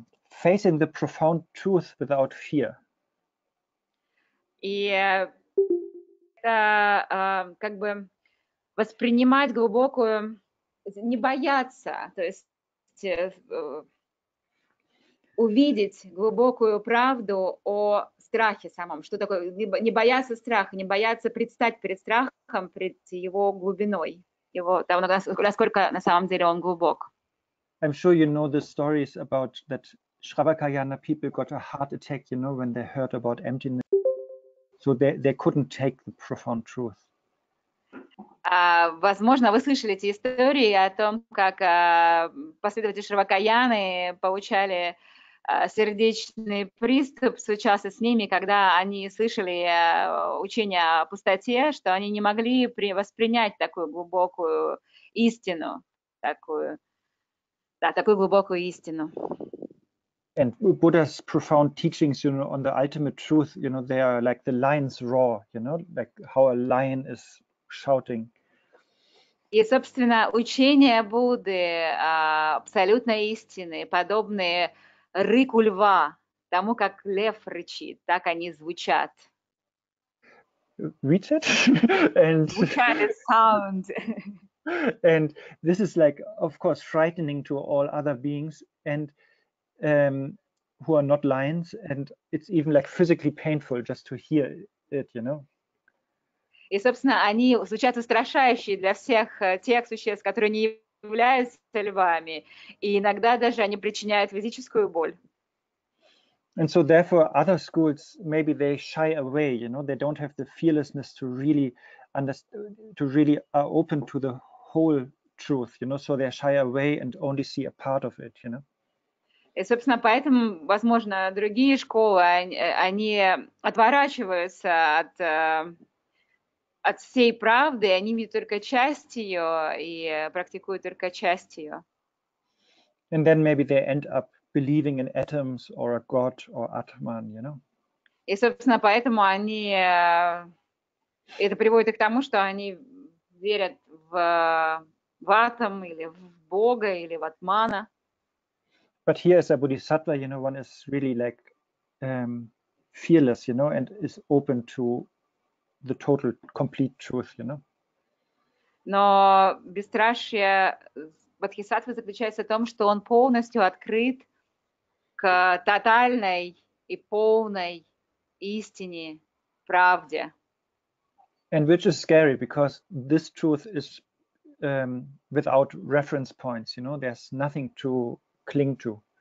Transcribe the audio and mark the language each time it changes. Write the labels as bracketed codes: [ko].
[en] facing the profound truth without fear. [ru] И это как бы воспринимать глубокую, не бояться, то есть увидеть глубокую правду о страхе самом, что такое не бояться страха, не бояться предстать перед страхом, перед его глубиной, его там, насколько на самом деле он глубок. [en] I'm sure you know the stories about that Shravakayana people got a heart attack, you know, when they heard about emptiness. So they couldn't take the profound truth. [ru] Возможно, вы слышали эти истории о том, как последователи Шравакаяны получали сердечный приступ, случался с ними, когда они слышали учение о пустоте, что они не могли воспринять такую глубокую истину, такую, да, такую глубокую истину. [en] And Buddha's profound teachings, you know, on the ultimate truth, you know, they are like the lion's roar, you know, like how a lion is shouting. [ru] И, собственно, учение Будды, абсолютной истины, подобные рыку льва, тому, как лев рычит, так они звучат. [en] Reach it? [ru] Звучали [en] sound. And this is like, of course, frightening to all other beings and who are not lions, and it's even like physically painful just to hear it, you know. [ru] И, собственно, они звучат устрашающие для всех тех существ, которые не являются львами, и иногда даже они причиняют физическую боль. [en] And so therefore other schools, maybe they shy away, you know, they don't have the fearlessness to really understand, to really are open to the whole truth, you know, so they shy away and only see a part of it, you know. [ru] И, собственно, поэтому, возможно, другие школы, они отворачиваются от всей правды, они видят только часть ее и практикуют только часть ее. [en] And then maybe they end up believing in atoms or a god or atman, you know? [ru] И, собственно, поэтому они, это приводит к тому, что они верят в атом или в бога или в атмана. [en] But here as a bodhisattva, you know, one is really like fearless, you know, and is open to the total, complete truth, you know. [ru] Но бесстрашие бодхисаттвы заключается в том, что он полностью открыт к тотальной и полной истине, правде. [en] And which is scary, because this truth is without reference points, you know, there's nothing to cling to.